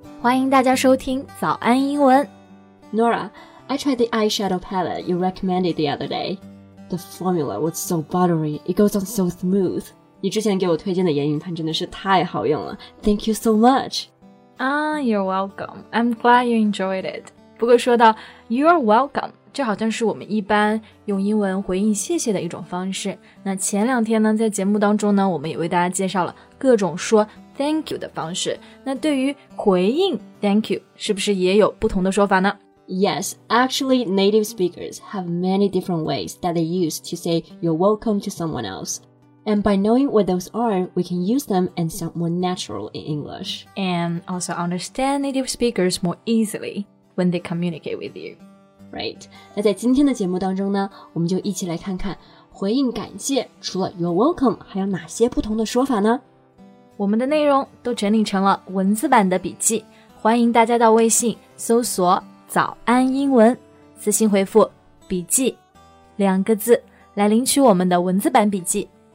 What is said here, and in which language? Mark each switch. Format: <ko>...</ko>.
<zh>欢迎大家收听早安英文。</zh> <en>Nora, I tried the eyeshadow palette you recommended the other day. The formula was so buttery. It goes on so smooth.</en> <zh>你之前给我推荐的眼影盘真的是太好用了。</zh> <en>Thank you so much. You're welcome. I'm glad you enjoyed it.</en> <zh>不过说到</zh> <en>you're welcome,</en> <zh>这好像是我们一般用英文回应谢谢的一种方式。那前两天呢，在节目当中呢，我们也为大家介绍了各种说</zh> <en>thank you</en> <zh>的方式。那对于回应</zh> <en>thank you,</en> <zh>是不是也有不同的说法呢？</zh> <en>Yes, actually native speakers have many different ways that they use to say you're welcome to someone else. And by knowing what those are, we can use them and sound more natural in English. And also understand native speakers more easily when they communicate with you. Right.</en> <zh>那在今天的节目当中呢，我们就一起来看看回应感谢除了</zh> <en>You're welcome</en> <zh>还有哪些不同的说法呢？我们的内容都整理成了文字版的笔记，欢迎大家到微信搜索早安英文，私信回复笔记两个字来领取我们的文字版笔记。</zh>